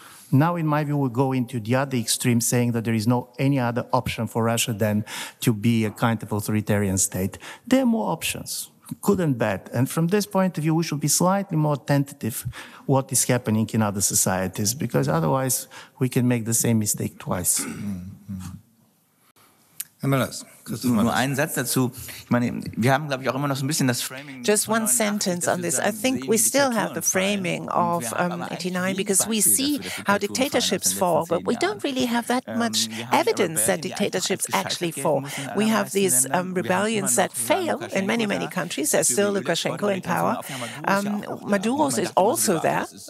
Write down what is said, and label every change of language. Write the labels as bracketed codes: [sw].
[en] Now, in my view, we go into the other extreme, saying that there is no any other option for Russia than to be a kind of authoritarian state. There are more options, good and bad. And from this point of view, we should be slightly more tentative what is happening in other societies, because otherwise we can make the same mistake twice. [de] Herr Möllers. Nur einen Satz dazu. Ich meine, wir haben, glaube ich, auch immer noch so ein bisschen das Framing. [en] Just one sentence on this. I think we still have the framing of 89, because we see how dictatorships fall, but we don't really have that much evidence that dictatorships actually fall. We have these rebellions that fail in many, many countries. There's still Lukashenko in power. Maduro is also there.